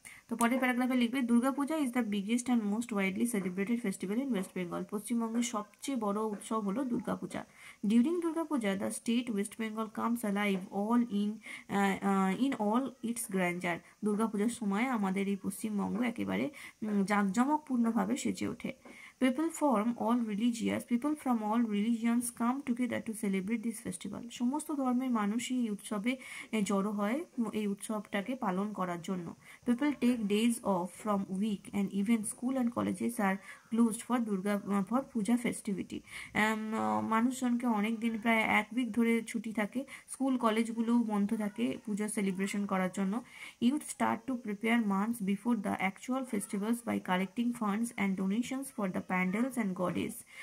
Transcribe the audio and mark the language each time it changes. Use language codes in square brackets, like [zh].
[bn] তো পরের প্যারাগ্রাফে লিখবে, [en] Durga Puja is the biggest and most widely celebrated festival in West Bengal. [bn] পশ্চিমবঙ্গের সবচেয়ে বড় উৎসব হলো দুর্গা পূজা। [en] During Durga Puja the state West Bengal comes alive all in all its grandeur. [bn] Durga পূজার সময় আমাদের এই পশ্চিমবঙ্গ একেবারে জাঁকজমকপূর্ণভাবে সেজে ওঠে। [en] People from all religious, people from all religions come together to celebrate this festival. [bn] সমস্ত ধর্মের মানুষই এই উৎসবে জড়ো হয় এই উৎসবটাকে পালন করার জন্য. [en] People take days off from week and even school and colleges are closed for Durga for Puja festivity. [bn] মানুষজনকে অনেক দিন প্রায় এক উইক ধরে ছুটি থাকে, স্কুল কলেজগুলোও বন্ধ থাকে পূজা সেলিব্রেশন করার জন্য. [en] Youth start to prepare months before the actual festivals by collecting funds and donations for the pandals and goddess.